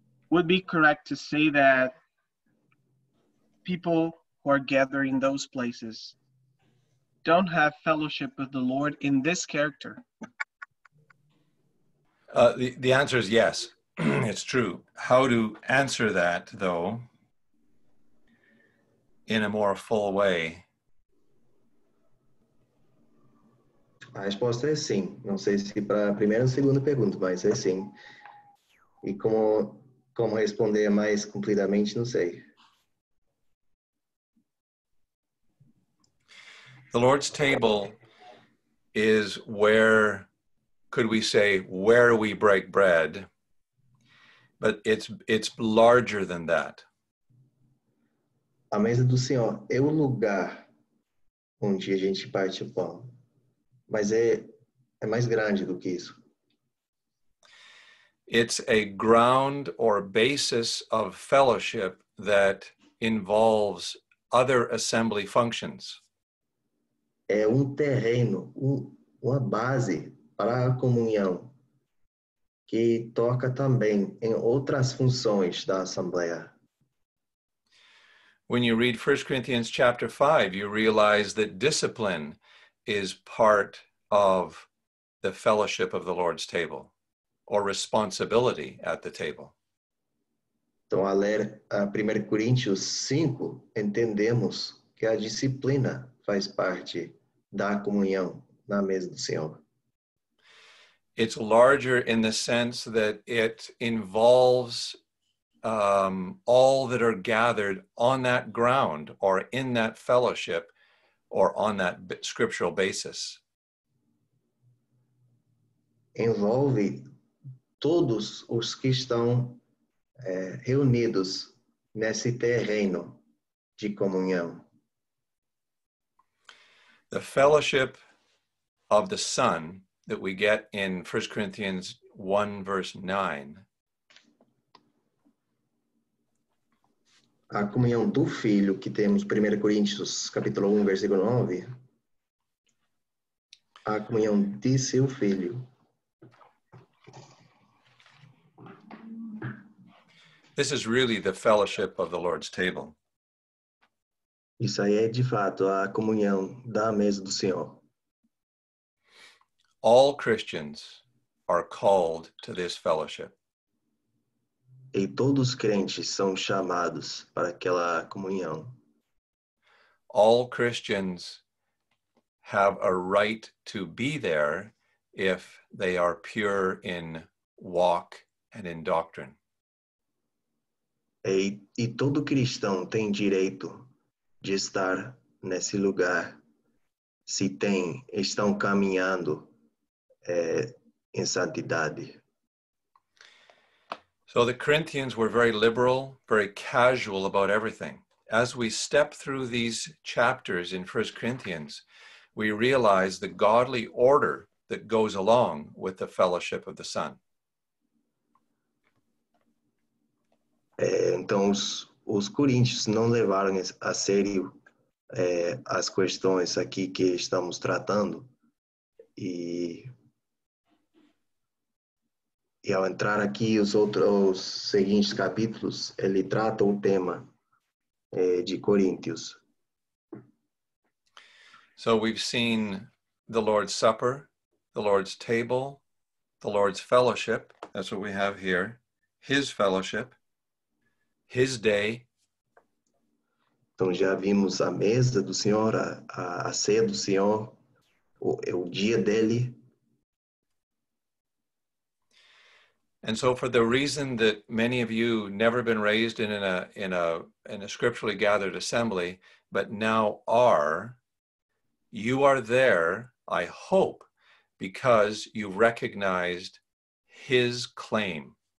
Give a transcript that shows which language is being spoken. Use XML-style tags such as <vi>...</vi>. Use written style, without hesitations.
<en>Would be correct to say that people who are gathering those places don't have fellowship with the Lord in this character? The answer is yes, it's true. How to answer that though, in a more full way,</en> <pt>A resposta é sim. Não sei se para a primeira ou segunda pergunta, mas é sim. E como responder mais cumpridamente, não sei.</pt> <en>The Lord's table is where, could we say, where we break bread, but it's larger than that.</en> <pt>A mesa do Senhor é o lugar onde a gente parte o pão, mas é mais grande do que isso.</pt> <en>It's a ground or basis of fellowship that involves other assembly functions.</en> <pt>É terreno, uma base para a comunhão que toca também em outras funções da assembleia.</pt> <en>When you read 1 Corinthians chapter 5, you realize that discipline is part of the fellowship of the Lord's table, or responsibility at the table.</en> <pt>Então, ao ler 1 Coríntios 5, entendemos que a disciplina faz parte da comunhão na mesa do Senhor.</pt> <en>It's larger in the sense that it involves all that are gathered on that ground or in that fellowship or on that scriptural basis.</en> <pt>Envolve todos os que estão reunidos nesse terreno de comunhão.</pt> <en>The fellowship of the Son that we get in 1 Corinthians 1 verse 9.</en> <pt>A comunhão do Filho que temos, 1 Coríntios, capítulo 1, versículo 9. A comunhão de seu Filho.</pt> <en>This is really the fellowship of the Lord's table.</en> <pt>Isso aí é, de fato, a comunhão da mesa do Senhor.</pt> <en>All Christians are called to this fellowship.</en> <pt>E todos os crentes são chamados para aquela comunhão.</pt> <en>All Christians have a right to be there if they are pure in walk and in doctrine.</en> <pt>E todo cristão tem direito de estar nesse lugar se estão caminhando em santidade.</pt> <en>So the Corinthians were very liberal, very casual about everything. As we step through these chapters in 1 Corinthians, we realize the godly order that goes along with the fellowship of the Son.</en> <pt>Então, os coríntios não levaram a sério as questões aqui que estamos tratando. E ao entrar aqui, os seguintes capítulos, ele trata o tema de Coríntios.</pt> <en>So we've seen the Lord's Supper, the Lord's Table, the Lord's Fellowship, that's what we have here, His Fellowship, His Day.</en> <pt>Então já vimos a mesa do Senhor, a ceia do Senhor, o dia dele.</pt> <en>And so for the reason that many of you never been raised in a scripturally gathered assembly, but now are, you are there, I hope, because you recognized his claim.</en>